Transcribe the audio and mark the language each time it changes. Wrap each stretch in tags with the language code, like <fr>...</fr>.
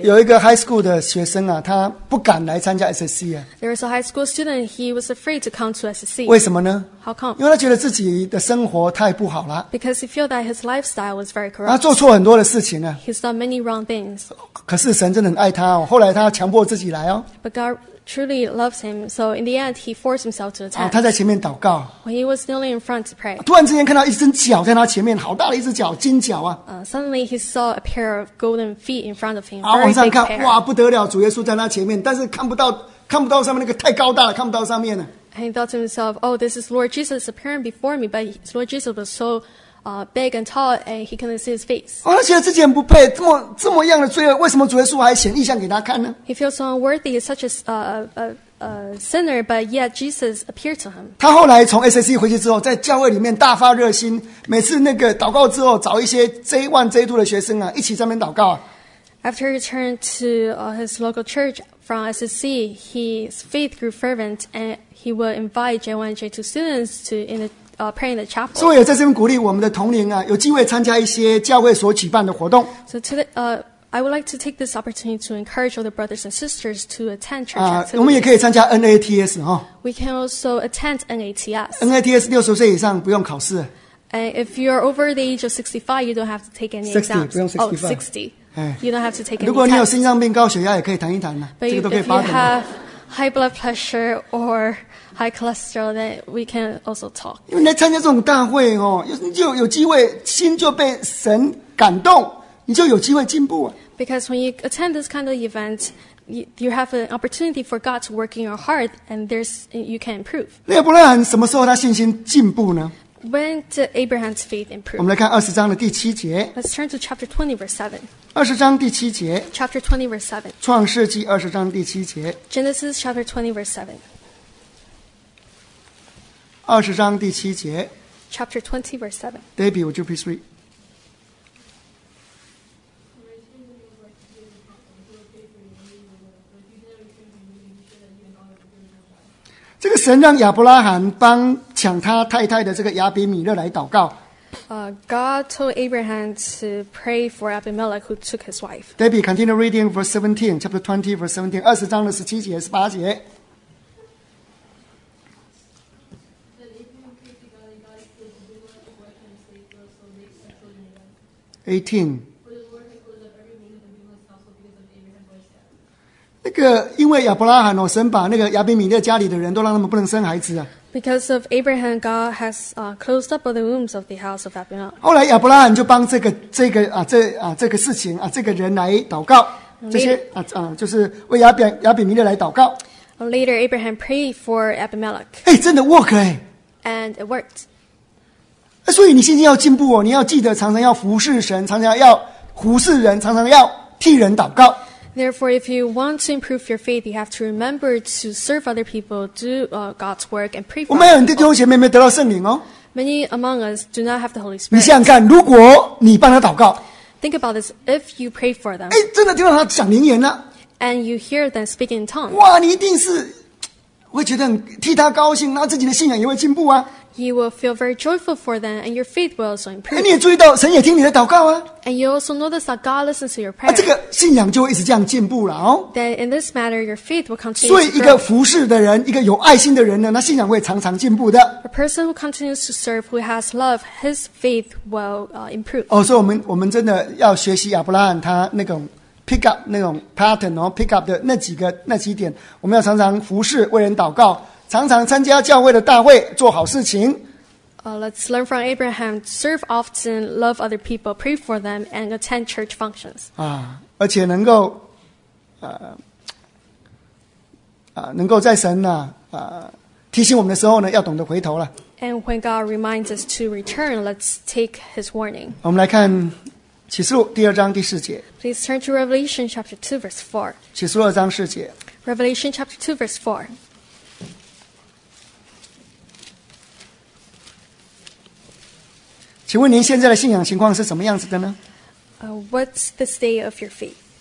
<zh>有一个 high school 的学生啊，他不敢来参加 SSC 啊。</zh> <en>There was a high school student, he was afraid to come to SSC.</en> <zh>为什么呢？</zh> <en>How come?</en> <zh>因为他觉得自己的生活太不好了。</zh> <en>Because he felt that his lifestyle was very corrupt.</en> <zh>他做错很多的事情啊。</zh> <en>He's done many wrong things.</en> <zh>可是神真的很爱他哦，后来他强迫自己来哦。</zh> <en>But God truly loves him, so in the end, he forced himself to attend.</en> <zh>他在前面祷告。</zh> <en>When he was kneeling in front to pray.</en> <zh>突然之间看到一只脚在他前面，好大的一只脚，金脚啊。</zh> <en>Suddenly he saw a pair of golden feet in front of him.</en> <zh>往上看，哇，不得了，主耶稣在他前面，但是看不到上面那个太高大了，看不到上面了。</zh> <en>And he thought to himself, oh, this is Lord Jesus appearing before me, but Lord Jesus was so big and tall, and he couldn't see his face.</en> <zh>他觉得自己很不配，这么样的罪恶，为什么主耶稣还显异象给他看呢？</zh> <en>He feels so unworthy, he's such a sinner, but yet Jesus appeared to him.</en> <zh>他后来从 SSC 回去之后，在教会里面大发热心，每次那个祷告之后，找一些 J1 J2 的学生啊，一起在那边祷告啊。</zh> <en>After he returned to his local church from SSC, his faith grew fervent, and he would invite J1 and J2 students to in theprayin the chapel.</en> <zh>所以也在这边鼓励我们的同龄啊，有机会参加一些教会所举办的活动。</zh> <en>So today, I would like to take this opportunity to encourage all the brothers and sisters to attend church activities.</en> <zh>我们也可以参加 NATS 哈。</zh> <en>We can also attend NATS.</en> <zh>NATS 60岁以上不用考试。</zh> <en>And if you're over the age of 65, you don't have to take any exams.</en> <zh>60不用65。</zh> <en>Oh, 60. You don't have to take any.</en> <zh>如果你有心脏病、高血压，也可以谈一谈呢。这个都可以发表。</zh> <en>If you have high blood pressure or high cholesterol, then we can also talk.</en> <zh>因为来参加这种大会哦，你就有机会，心就被神感动，你就有机会进步啊。</zh> <en>Because when you attend this kind of event, you have an opportunity for God to work in your heart, and you can improve.</en> <zh>那亚伯拉罕什么时候他信心进步呢？</zh> <en>When did Abraham's faith improve?</en> <zh>我们来看20章的第7节。</zh> <en>Let's turn to chapter 20, verse 7.</en> <zh>20章第7节。</zh> <en>Chapter 20, verse 7.</en> <zh>创世纪20章第7节。</zh> <en>Genesis chapter 20, verse 7.</en> <zh>二十章第七节</zh> <en>Chapter 20 verse 7 Debbie, would you please read?</en> <zh>这个神让亚伯拉罕帮抢他太太的这个亚比米勒来祷告</zh> <en>God told Abraham to pray for Abimelech who took his wife. Debbie, continue reading verse 17, chapter 20 verse 17,</en> <zh>二十章的十七节、十八节。</zh> <en>18.</en> <zh>那个因为亚伯拉罕哦，神把那个亚比米勒家里的人都让他们不能生孩子啊。</zh> <en>Because of Abraham, God has closed up all the wombs of the house of Abimelech.</en> <zh>后来亚伯拉罕就帮这个事情啊，这个人来祷告，这些就是为亚比米勒来祷告。</zh> <en>Later, Abraham prayed for Abimelech.</en> <zh>哎，真的 work 哎。</zh> <en>And it worked.</en> <zh>所以你信心要进步哦，你要记得常常要服侍神，常常要服侍人，常常要替人祷告。</zh> <en>Therefore, if you want to improve your faith, you have to remember to serve other people, do God's work, and pray for</en> <zh>people. 我们有很多弟兄姐妹没得到圣灵哦。</zh> <en>Many among us do not have the Holy Spirit.</en> <zh>你想想看，如果你帮他祷告</zh> <en>，Think about this. If you pray for them,</en> <zh>哎，真的听到他讲灵言了</zh> <en>，And you hear them speaking in tongues.</en> <zh>哇，你一定是会觉得很替他高兴，那自己的信仰也会进步啊。</zh> <en>You will feel very joyful for them, and your faith will also improve.</en> <zh>你也注意到神也听你的祷告啊。</zh> <en>And you also notice that God listens to your prayer.</en> <zh>啊，这个信仰就会一直这样进步了哦。</zh> <en>Then in this matter, your faith will continue.</en> <zh>所以一个服事的人，一个有爱心的人呢，那信仰会常常进步的。</zh> <en>A person who continues to serve, who has love, his faith will improve.</en> <zh>哦，所以我们真的要学习亚伯拉罕他那种pick up 那种 pattern 哦 ，pick up 的那几点，我们要常常服事，为人祷告，常常参加教会的大会，做好事情。</zh> <en>Let's learn from Abraham. Serve often, love other people, pray for them, and attend church functions.</en> <zh>啊，而且能够，能够在神呐、提醒我们的时候呢，要懂得回头了。</zh> <en>And when God reminds us to return, let's take His warning.</en> <zh>我们来看。启示录第二章第四节。</zh> <en>Please turn to Revelation chapter 2 verse 4.</en> <zh>启示录二章四节。</zh> <en>Revelation chapter 2 verse 4.</en> <zh>请问您现在的信仰情况是什么样子的呢？</zh> <en>What's the state of your faith?</en>